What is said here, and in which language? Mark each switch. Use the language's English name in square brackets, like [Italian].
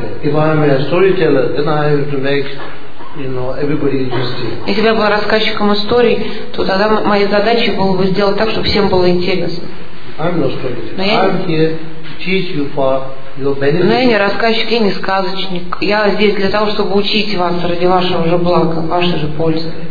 [English] If I'm a storyteller, then I have to make, you know, everybody interested. [Russian] Если я была рассказчиком историй, то тогда моей задачей было бы сделать так, чтобы всем было интересно. [English] I'm no storyteller. I'm here to teach you for your benefit. [Russian] Но я не рассказчик, я не сказочник. Я здесь для того, чтобы учить вас ради вашего же блага, вашей же пользы.